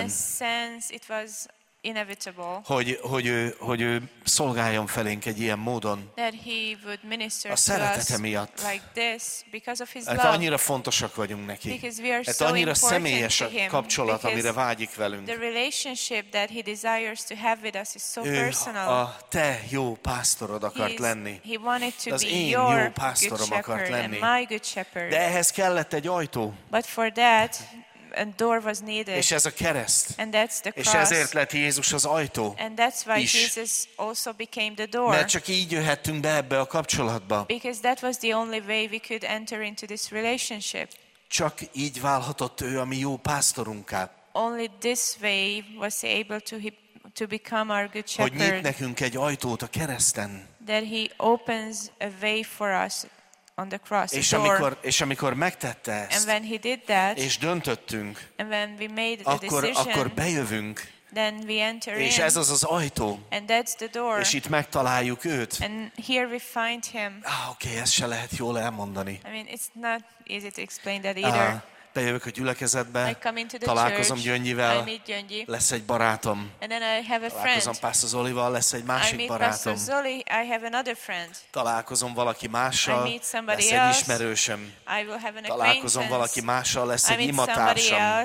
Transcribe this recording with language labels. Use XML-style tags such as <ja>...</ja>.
<en>In a sense it was inevitable.</en> <hu>Hogy ő szolgáljon felénk egy ilyen módon.</hu> <en>That he would minister to us.</en> <hu>A szeretete miatt.</hu> <en>Like this, because of his love.</en> <hu>Annyira fontosak vagyunk neki.</hu> <en>Because we are so important.</en> <hu>Ez annyira személyes a kapcsolat, amire vágyik velünk.</hu> <en>The relationship that he desires to have with us is so personal.</en> <hu>A te jó pásztorod akart lenni.</hu> <en>He wanted to be your</en> <hu>jó pásztorom akart lenni.</hu> <en>My good shepherd.</en> <hu>De ehhez kellett egy ajtó.</hu> <en>But for that a door was needed.</en> <hu>És ez a kereszt.</hu> <en>And that's the cross.</en> <hu>És ezért lett Jézus az ajtó.</hu> <en>And that's why is. Jesus also became the door.</en> <hu>Mert csak így jöhettünk be ebbe a kapcsolatba.</hu> <en>Because that was the only way we could enter into this relationship.</en> <hu>Csak így válhatott ő a mi jó pásztorunká.</hu> <en>Only this way was he able to become our good shepherd.</en> <hu>Hogy nyit nekünk egy ajtót a kereszten.</hu> <en>That he opens a way for us. On the cross,</en> <hu>és amikor</hu> <en>door.</en> <hu>És amikor megtette ezt,</hu> <en>and when he did that,</en> <hu>és döntöttünk,</hu> <en>and when we made the</en> <hu>akkor</hu> <en>decision,</en> <hu>akkor bejövünk,</hu> <en>then we enter</en> <hu>és</hu> <en>in,</en> <hu>ez az az ajtó,</hu> <en>and that's the door,</en> <hu>és itt megtaláljuk őt,</hu> <en>and here we find him.</en> <hu>Ah, okay, ezt se lehet jól elmondani.</hu> <en>I mean, it's not easy to explain that either. Ah,</en> <hu>bejövök a gyülekezetbe,</hu> <en>I come into the</en> <hu>találkozom</hu> <en>church,</en> <hu>Gyöngyivel,</hu> <en>I meet Gyöngyi,</en> <hu>lesz egy barátom,</hu> <en>and then I have a</en> <hu>találkozom Pásztor Zolival, lesz egy másik</hu> <en>I meet</en> <hu>barátom,</hu> <en>Pastor Zoli, I have another friend.</en> <hu>Találkozom valaki mással,</hu> <en>I meet somebody</en> <hu>lesz egy ismerősöm,</hu> <en>I will have an</en> <hu>találkozom valaki mással, lesz egy imatársam.</hu>